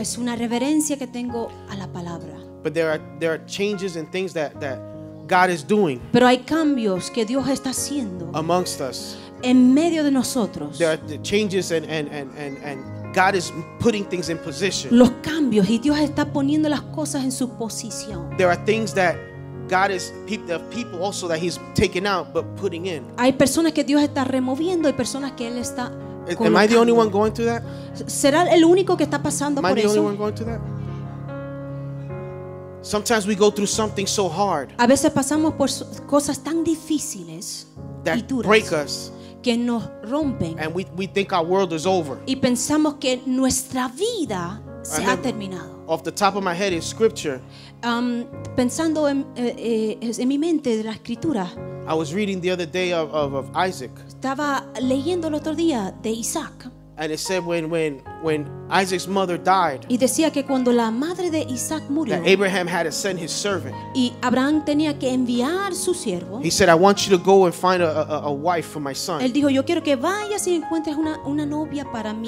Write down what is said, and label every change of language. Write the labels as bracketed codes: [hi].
[es] Es una reverencia que tengo a la palabra. [en] But there are changes and things that God is doing. [es] Pero hay cambios que Dios está haciendo. [en] Amongst us. [es] En medio de nosotros. [en] There are the changes and God is putting things in position. [es] Los cambios y Dios está poniendo las cosas en su posición. [en] There are things that God is the people also that He's taking out but putting in. [es] Hay personas que Dios está removiendo y personas que Él está colocando. [en] Am I the only one going through that? [es] ¿Será el único que está pasando por eso? [en] Am I the only one going through that? Sometimes we go through something so hard. [es] A veces pasamos por cosas tan difíciles [en] that [es] y duras [en] break us. [es] Que nos rompen. [en] And we think our world is over. [es] Y pensamos que nuestra vida se ha terminado. [en] Off the top of my head is scripture. [es] Pensando en mi mente de la escritura. [en] I was reading the other day of Isaac. [es] Estaba leyendo el otro día de Isaac. [en] And it said when Isaac's mother died. [es] Y decía que cuando la madre de Isaac murió. [en] That Abraham had to send his servant. [es] Y Abraham tenía que enviar su siervo. [en] He said, "I want you to go and find a wife for my son." [es] Él dijo, "Yo quiero que vayas y encuentres una novia para mi